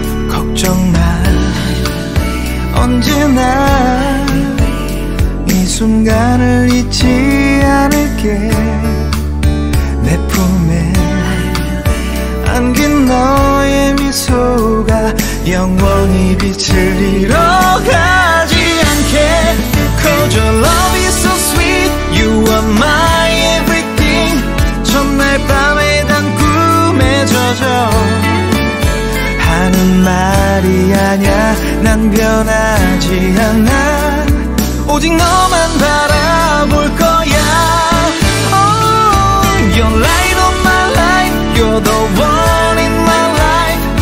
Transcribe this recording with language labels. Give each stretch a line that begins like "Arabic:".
Korean: 걱정 마, 언제나 이 순간을 잊지 않을게. 내 품에 안긴 너의 미소가 영원히 빛을 잃어가지 않게.
English: 'Cause your love is so sweet, you are my everything.
Korean: 첫날 밤에 단 꿈에 젖어 하는 말이 아냐, 난 변하지 않아. 오직 너만 바라볼 거야.
English: Oh, your light on my life, you're the one in my life.